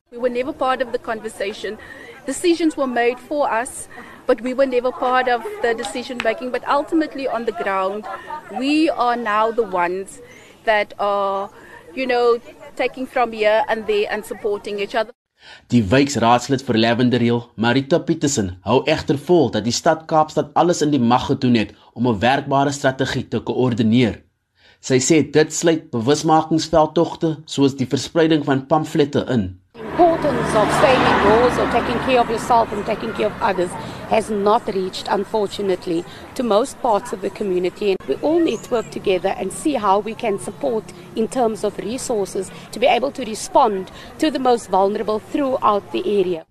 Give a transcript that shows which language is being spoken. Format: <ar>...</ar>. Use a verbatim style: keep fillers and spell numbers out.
<en>We were never part of the conversation. Decisions were made for us, but we were never part of the decision making. But ultimately on the ground, we are now the ones that are, you know, taking from here and there and supporting each other.</en> <af>Die wijksraadslid vir Lavender Hill, Marita Petersen, hou egter vol dat die stad Kaapstad alles in die mag gedoen het om 'n werkbare strategie te koördineer. Sy sê dit sluit bewusmakingsveldtogte soos die verspreiding van pamflette in.</af> <en>The importance of staying indoors or taking care of yourself and taking care of others has not reached, unfortunately, to most parts of the community. And we all need to work together and see how we can support in terms of resources to be able to respond to the most vulnerable throughout the area.</en>